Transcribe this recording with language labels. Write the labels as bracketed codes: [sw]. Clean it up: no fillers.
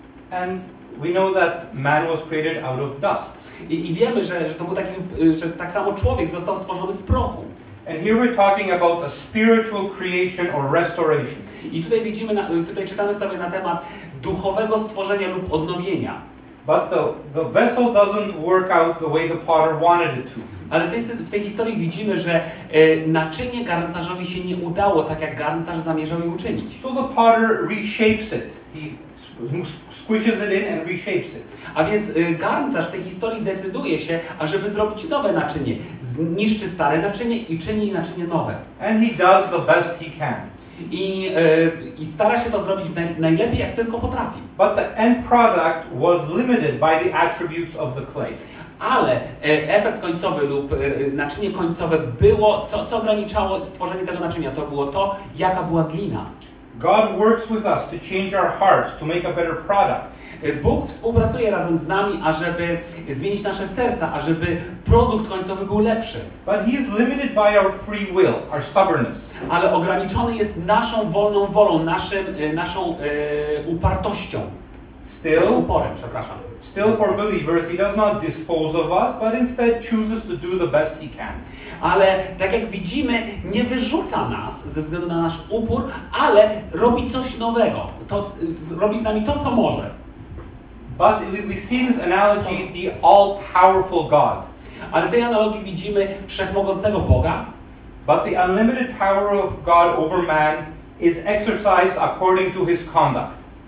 [en] And we know that man was created out of dust. [pl] I wiemy, że to był taki, że tak samo człowiek został stworzony z prochu. [en] And here we're talking about a spiritual creation or restoration. [pl] I tutaj widzimy, tutaj czytamy sobie na temat duchowego stworzenia lub odnowienia. [en] But the vessel doesn't work out the way the potter wanted it to. [pl] Ale w tej historii widzimy, że naczynie garncarzowi się nie udało tak, jak garncarz zamierzał je uczynić. [en] So the potter reshapes it. He squishes it in and reshapes it. [pl] A więc garncarz w tej historii decyduje się, ażeby zrobić nowe naczynie. Zniszczy stare naczynie i czyni naczynie nowe. [en] And he does the best he can. [pl] I stara się to zrobić najlepiej, jak tylko potrafi. [en] But the end product was limited by the attributes of the clay. [pl] Ale efekt końcowy lub naczynie końcowe było, co ograniczało stworzenie tego naczynia, to było to, jaka była glina. [en] God works with us to change our hearts, to make a better product. [pl] Bóg współpracuje razem z nami, ażeby zmienić nasze serca, ażeby produkt końcowy był lepszy. [en] But he is limited by our free will, our stubbornness. [pl] Ale ograniczony jest naszą wolną wolą, naszą upartością. [en] Still, [pl] uporem, przepraszam. [en] Still for believers, he does not dispose of us, but instead chooses to do the best he can. [pl] Ale tak jak widzimy, nie wyrzuca nas ze względu na nasz upór, ale robi coś nowego. To, robi z nami to, co może. [en] But we see this analogy the all-powerful God. [pl] Ale w tej analogii widzimy wszechmogącego Boga. [en] But the unlimited power of God over man is exercised according to his conduct.